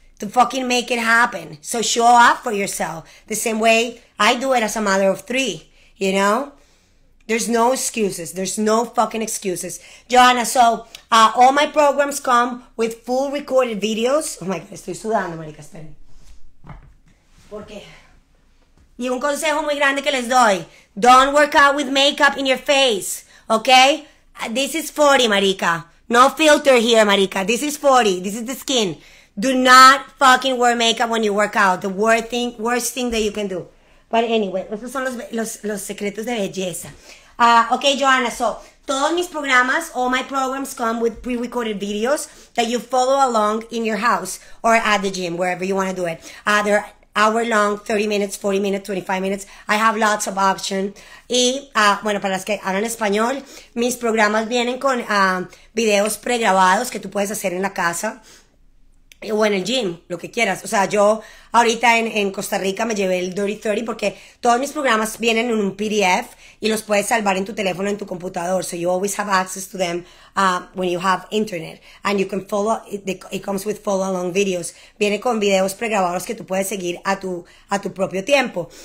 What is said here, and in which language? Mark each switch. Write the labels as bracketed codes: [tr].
[en] To fucking make it happen. So, show up for yourself. The same way I do it as a mother of three. You know? There's no excuses. There's no fucking excuses. Joanna, so all my programs come with full recorded videos. Oh my God, [es] estoy sudando, marica, esperen. ¿Por qué? Y un consejo muy grande que les doy. [en] Don't work out with makeup in your face, okay? This is 40, marica. No filter here, marica. This is 40. This is the skin. Do not fucking wear makeup when you work out. The worst thing that you can do. But anyway, [es] esos son los secretos de belleza. [en] Okay, Joanna, so [es] todos mis programas, [en] all my programs come with pre-recorded videos that you follow along in your house or at the gym, wherever you want to do it. They're hour long, 30 minutes, 40 minutes, 25 minutes. I have lots of options. [es] Y, bueno, para las que hablan español, mis programas vienen con videos pregrabados que tú puedes hacer en la casa o en el gym, lo que quieras. O sea, yo ahorita en Costa Rica me llevé el Dirty 30 porque todos mis programas vienen en un PDF y los puedes salvar en tu teléfono, en tu computador. [en] So you always have access to them when you have internet. And you can follow, it comes with follow along videos. [es] Viene con videos pregrabados que tú puedes seguir a tu propio tiempo.